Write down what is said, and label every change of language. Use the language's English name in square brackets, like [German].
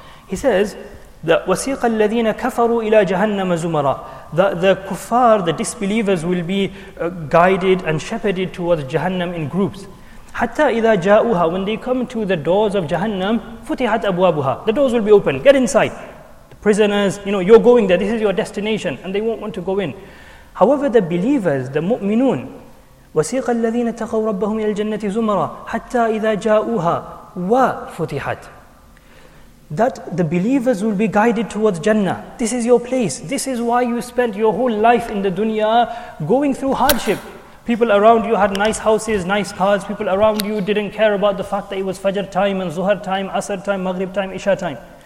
[English] He says that [Arabic] وسيق الذين كفروا إلى جهنم زمرا, [English] that the kuffar, the disbelievers, will be guided and shepherded towards Jahannam in groups. [Arabic] حتى إذا جاءوها, [English] when they come to the doors of Jahannam, [Arabic] فتحت أبوابها, [English] the doors will be open, get inside. prisoners, you know, you're going there, this is your destination, and they won't want to go in. However, the believers, the mu'minun, [Arabic] وَسِيقَ الَّذِينَ تَقَوْ رَبَّهُمْ إِلَى الْجَنَّةِ زُمَرًا حَتَّى إِذَا جَاءُوهَا وَفُتِحَتْ. [English] That the believers will be guided towards Jannah. This is your place. This is why you spent your whole life in the dunya going through hardship. People around you had nice houses, nice cars. People around you didn't care about the fact that it was Fajr time and Zuhar time, Asr time, Maghrib time, Isha time.